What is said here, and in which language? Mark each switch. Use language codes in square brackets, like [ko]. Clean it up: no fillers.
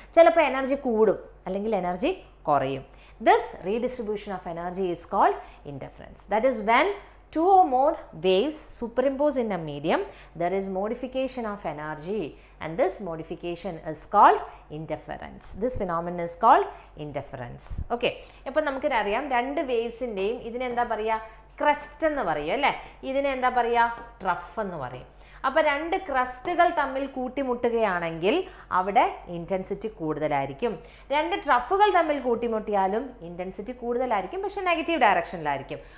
[ml] ചിലപ്പോൾ എനർജി കൂടും അല്ലെങ്കിൽ എനർജി കുറയും. [en] This redistribution of energy is called interference. That is when two or more waves superimpose in a medium, there is modification of energy, and this modification is called interference. This phenomenon is called interference. [ml] Okay, ഇപ്പോൾ നമുക്ക് അറിയാം രണ്ട് വേവ്സിന്റെയും ഇതിനെ എന്താ പറയുക, crest എന്ന് പറയും അല്ലേ, ഇതിനെ എന്താ പറയുക, ട്രഫ് എന്ന് പറയും. അപ്പൊ രണ്ട് ക്രസ്റ്റുകൾ തമ്മിൽ കൂട്ടിമുട്ടുകയാണെങ്കിൽ അവിടെ ഇന്റൻസിറ്റി കൂടുതലായിരിക്കും. രണ്ട് ട്രഫുകൾ തമ്മിൽ കൂട്ടിമുട്ടിയാലും ഇന്റൻസിറ്റി കൂടുതലായിരിക്കും, പക്ഷെ നെഗറ്റീവ് ഡയറക്ഷനിലായിരിക്കും.